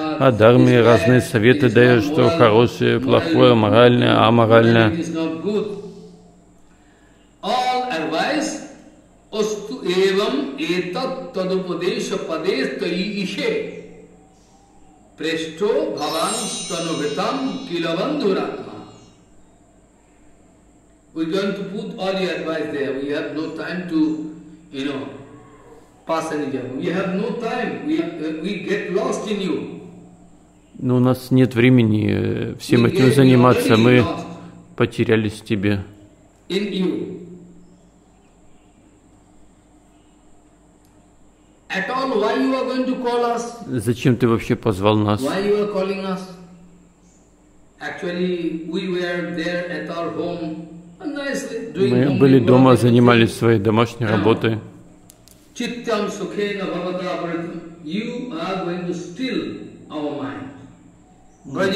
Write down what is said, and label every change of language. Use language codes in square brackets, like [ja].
[ru] о дхарме, разные советы дает, что хорошее, плохое, моральное, аморальное. [en] We don't put all your advice there. We have no time to, you know, pass any job. We have no time. We get lost in you. [ru] Но у нас нет времени всем этим заниматься. Мы потерялись в тебе. [en] In you. At all, why you are going to call us? [ru] Зачем ты вообще позвал нас? [en] Why you are calling us? Actually, we were there at our home. [ru] Мы были дома, занимались своей домашней работой. [sa] Читтам сукхена бхавата апаритам. [en] You are going to steal our mind.